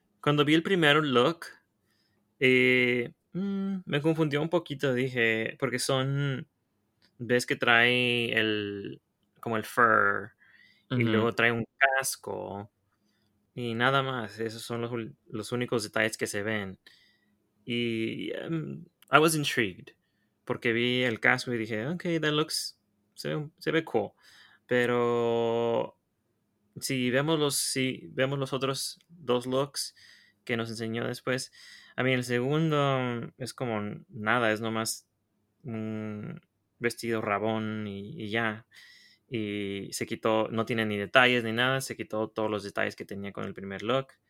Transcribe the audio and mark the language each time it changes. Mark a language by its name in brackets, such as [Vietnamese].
[Spanish] Cuando vi el primer look, me confundió un poquito, dije, porque son, ves que trae el, como el fur, y luego trae un casco, y nada más, esos son los únicos detalles que se ven. Y [English] I was intrigued, [Spanish] porque vi el casco y dije, okay, [English] that looks, [Spanish] se ve cool. Pero si vemos los otros dos looks que nos enseñó después, a mí el segundo es como nada, es nomás un vestido rabón y ya. Y se quitó, no tiene ni detalles ni nada, se quitó todos los detalles que tenía con el primer look.